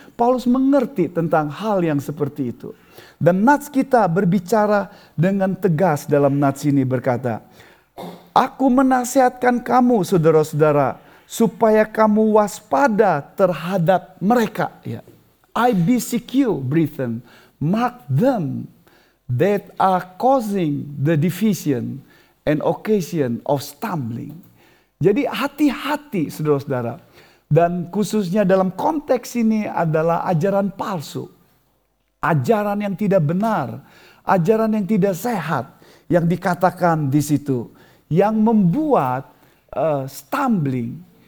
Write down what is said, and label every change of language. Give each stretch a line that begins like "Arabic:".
Indonesian: Paulus mengerti tentang hal yang seperti itu. Dan nats kita berbicara dengan tegas dalam nats ini berkata, aku menasihatkan kamu, saudara-saudara, supaya kamu waspada terhadap mereka.
English: I beseech you, brethren, mark them that are causing the division and occasion of stumbling.
Indonesian: Jadi hati-hati, saudara-saudara. Dan khususnya dalam konteks ini adalah ajaran palsu. Ajaran yang tidak benar. Ajaran yang tidak sehat. Yang dikatakan di situ. Yang membuat
English: stumbling.